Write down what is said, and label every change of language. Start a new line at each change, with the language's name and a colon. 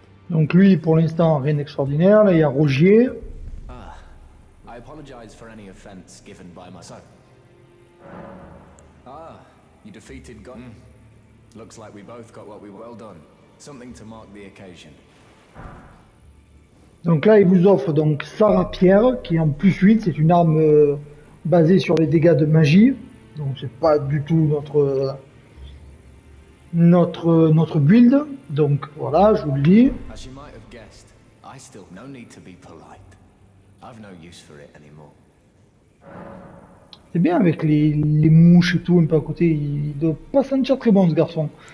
French: Donc lui, pour l'instant, rien d'extraordinaire. Là, il y a Rogier.
English: I apologize for any offense given by my son. Ah, You defeated God. Mm. Looks like we both got what we want. Well done. Something to mark the occasion.
French: Donc là, il vous offre donc Sarah Pierre, qui est en plus 8, c'est une arme basée sur les dégâts de magie. Donc c'est pas du tout notre build. Donc voilà, je vous le dis.
English: As you might have guessed, I still no need to be polite. I've no use for it anymore.
French: C'est bien avec les mouches et tout, un peu à côté, il doit pas sentir très bon ce garçon.